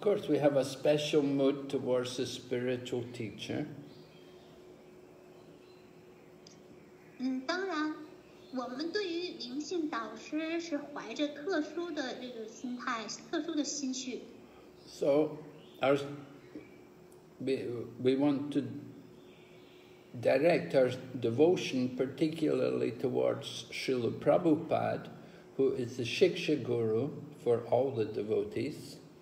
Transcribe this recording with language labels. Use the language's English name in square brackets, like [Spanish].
[English] course, we have a special mood towards the spiritual teacher. [Chinese] 当然。我们对于灵性导师是怀着特殊的这个心态，特殊的心绪。 [English] So, we want to direct our devotion particularly towards Srila Prabhupada, who is the Shiksha Guru for all the devotees.